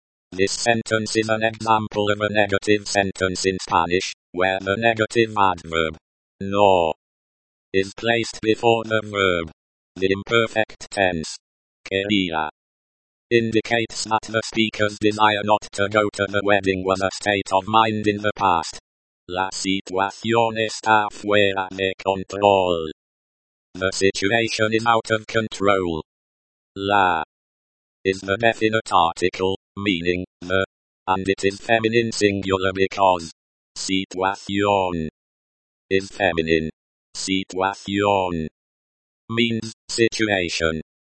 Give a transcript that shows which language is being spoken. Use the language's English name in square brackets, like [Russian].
[English] This sentence is an example of a negative sentence in Spanish, where the negative adverb no is placed before the verb. The imperfect tense quería indicates that the speaker's desire not to go to the wedding was a state of mind in the past. [Spanish] La situación está fuera de control. [English] The situation is out of control. La is the definite article, meaning the, and it is feminine singular because situación is feminine. Situación means situation.